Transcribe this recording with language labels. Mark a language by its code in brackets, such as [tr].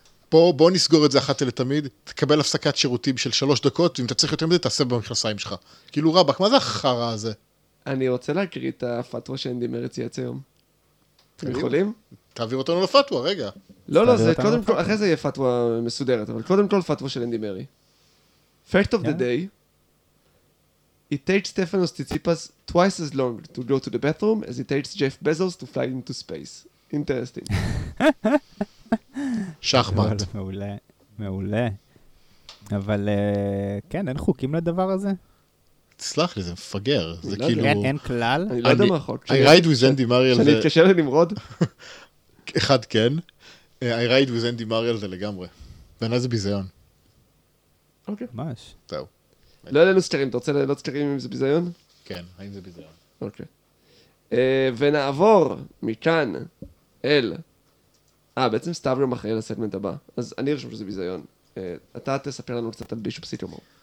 [he] בוא נסגור את זה אחת לתמיד, תקבל הפסקת שירותים של 3 דקות, ואם אתה צריך יותר מדי, תעשה במכנסיים שלך. כאילו, רבק, מה זה החרה הזה? אני רוצה להקריא את הפתווה שאנדי מרי ציית היום. אתם יכולים? תעביר אותנו לפתווה, רגע. לא, לא, זה קודם כל, אחרי זה יהיה פתווה מסודרת, אבל קודם כל פתווה של אנדי מרי. [en] Fact of the day, it takes Stefanos Tsitsipas twice as long to go to the bathroom as it takes Jeff Bezos to fly into space. Interesting. [he] שחמט. מעולה, מעולה. אבל כן, אין חוקים לדבר הזה? תסלח לי, זה מפגר. זה כאילו... אין כלל? אני לא יודע מה החוק. [en] I ride with Andy Mariel. [he] שאני אתקשר לנמרוד? אחד כן. [en] I ride with Andy Mariel [he] זה לגמרי. ואין איזה ביזיון. אוקיי. ממש. זהו. לא עלינו סקרים, אתה רוצה לעלות סקרים אם זה ביזיון? כן, האם זה ביזיון. אוקיי. ונעבור מכאן אל... בעצם סטאבלום אחראי לסגמנט הבא. אז אני חושב שזה ביזיון. אתה תספר לנו קצת על בישופ סיקמור.